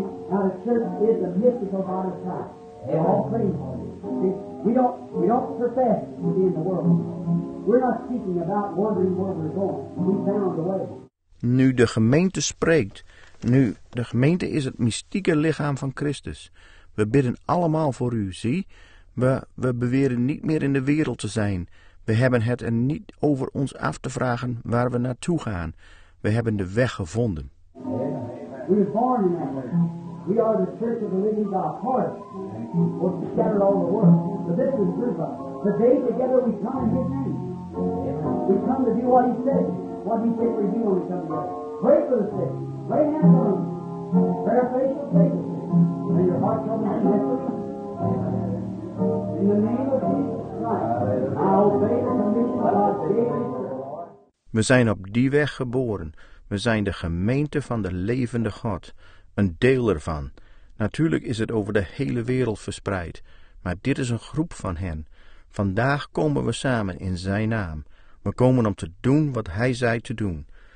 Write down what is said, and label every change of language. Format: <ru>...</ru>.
<en>Now the church is a mystical body of Christ. We're all praying for it. See, we don't profess to be in the world. We're not speaking about wondering where we're going. We found the way.</en> <nl>Nu de gemeente spreekt. Nu, de gemeente is het mystieke lichaam van Christus. We bidden allemaal voor u, zie. We beweren niet meer in de wereld te zijn. We hebben het er niet over ons af te vragen waar we naartoe gaan. We hebben de weg gevonden.</nl> <en>We were born in that way. We are the church of the living God. Of course, we're scattered all the world. But this is true of us. Today, together, we come in His name. We come to do what He said. What He said for you when we come together. Pray for the sick. Lay hands on them. Pray for the sick. May your heart come to Him. In the name of Jesus Christ, I obey the commission of God's name.</en> <nl>We zijn op die weg geboren. We zijn de gemeente van de levende God, een deel ervan. Natuurlijk is het over de hele wereld verspreid, maar dit is een groep van hen. Vandaag komen we samen in zijn naam. We komen om te doen wat hij zei te doen.</nl>